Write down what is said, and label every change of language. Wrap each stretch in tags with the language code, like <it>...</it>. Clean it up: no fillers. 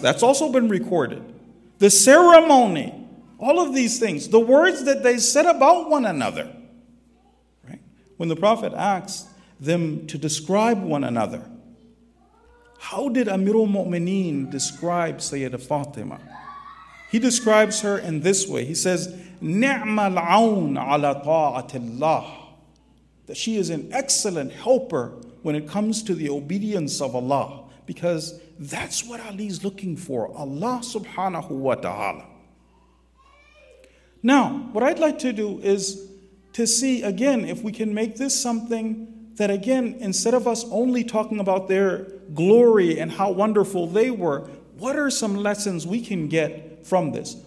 <en>That's also been recorded. The ceremony, all of these things, the words that they said about one another. Right? When the Prophet asked them to describe one another, how did Amir al-Mu'mineen describe Sayyida Fatima? He describes her in this way. He says,</en> <ar>نِعْمَ الْعَوْنَ عَلَى طَاعَةِ اللَّهِ.</ar> <en>That she is an excellent helper when it comes to the obedience of Allah. Because that's what Ali is looking for. Allah subhanahu wa ta'ala. Now, what I'd like to do is to see again if we can make this something that again, instead of us only talking about their glory and how wonderful they were, what are some lessons we can get from this?</en>